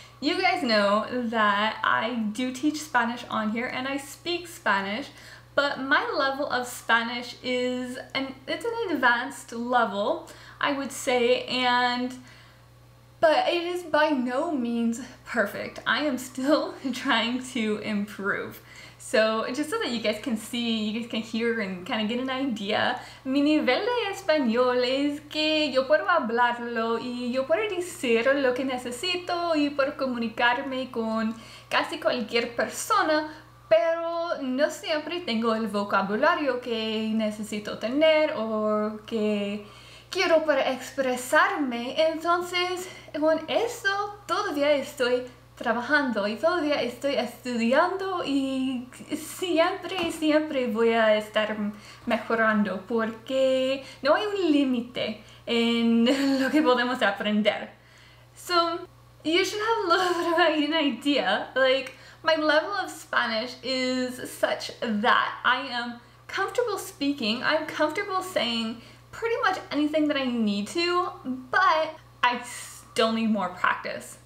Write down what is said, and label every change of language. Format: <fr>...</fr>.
<en>you guys know that I do teach Spanish on here and I speak Spanish, but my level of Spanish is it's an advanced level, I would say, but it is by no means perfect. I am still trying to improve. So just so that you guys can see, you guys can hear and kind of get an idea,</en> <es>mi nivel de español es que yo puedo hablarlo y yo puedo decir lo que necesito y puedo comunicarme con casi cualquier persona, pero no siempre tengo el vocabulario que necesito tener o que quiero para expresarme. Entonces, con eso todavía estoy trabajando y todavía estoy estudiando y siempre voy a estar mejorando, porque no hay un límite en lo que podemos aprender.</es> <en>So you should have a little bit of an idea, like my level of Spanish is such that I am comfortable speaking, I'm comfortable saying pretty much anything that I need to, but I still need more practice.</en>